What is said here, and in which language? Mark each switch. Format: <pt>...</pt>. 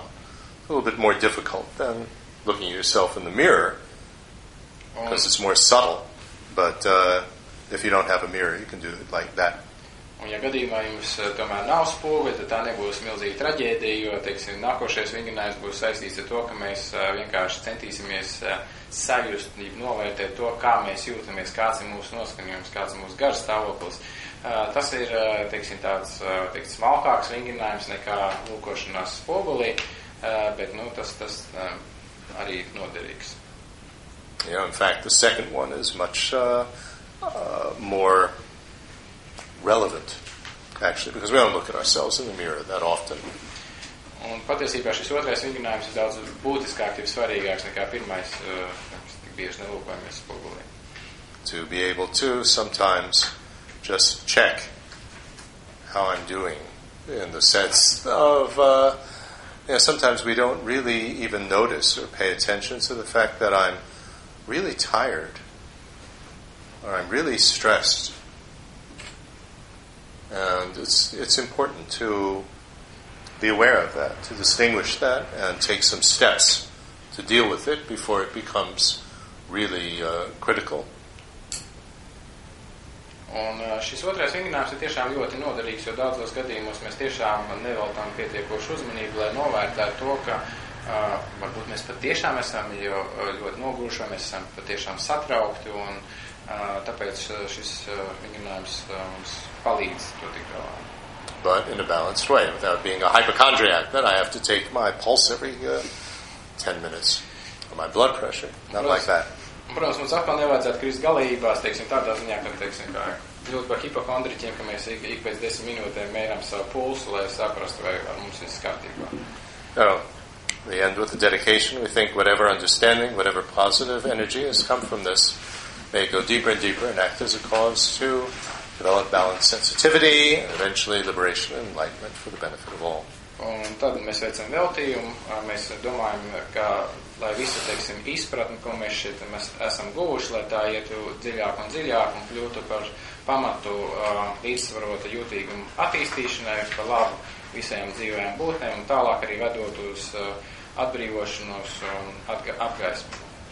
<en>A little bit more difficult than looking at yourself in the mirror, because it's more subtle. But if you don't have a mirror, you can do it like that.</en> <lv>Un ja gadījumā jums tomēr nav spoguļa, tad tā nebūs milzīga traģēdija, jo, teiksim, nākošais vingrinājums būs saistīts ar to, ka mēs vienkārši centīsimies sajust, novērtēt to, kā mēs jūtamies, kāds ir mūsu noskaņojums, kāds ir mūsu garš stāvoklis. Tas ir, teiksim, tāds smalkāks vingrinājums nekā lūkošanās spogulī, bet, nu, tas arī noderīgs.</lv> <en>Yeah, in fact, the second one is much more relevant, actually, because we don't look at ourselves in the mirror that often.</en> <lv>Un patiesībā šis otrais vingrinājums ir daudz būtiskāk, tie svarīgāks nekā pirmais, mēs tik bieži nelūkojamies spogulī.</lv> <en>To be able to sometimes just check how I'm doing in the sense of, you know, sometimes we don't really even notice or pay attention to the fact that I'm really tired or I'm really stressed. And it's important to be aware of that, to distinguish that and take some steps to deal with it before it becomes really critical.</en> <lv>Un šis otrais vingrinājums ir tiešām ļoti noderīgs, jo daudzos gadījumos mēs tiešām neveltām pietiekošu uzmanību, lai novērtētu to, ka varbūt mēs patiešām esam ļoti noguruši, mēs esam patiešām satraukti, un tāpēc šis vingrinājums mums palīdz to tik galā.</lv> <en>But in a balanced way, without being a hypochondriac, then I have to take my pulse every 10 minutes, or my blood pressure, not like that.</en> <lv>Protams, mums atkal nevajadzētu krist galībās, teiksim, tādā ziņā, ka, teiksim, kā ļoti par hipokondriķiem, ka mēs ik pēc 10 minūtēm mērām savu pulsu, lai saprastu, vai ar mums viss kārtībā.</lv> <en>No, we end with the dedication. We think whatever understanding, whatever positive energy has come from this may go deeper and deeper and act as a cause to develop balanced sensitivity and eventually liberation and enlightenment for the benefit of all.</en> <lv>Un tad mēs veicam veltījumu, mēs domājam, ka, lai visu, teiksim, izpratni, ko mēs šeit mēs esam guvuši, lai tā ietu dziļāk un dziļāk un kļūtu par pamatu līdzsvarota jūtīgumu attīstīšanai, par labu visiem dzīvējiem būtnēm un tālāk arī vedot uz atbrīvošanos un apgaismu.</lv>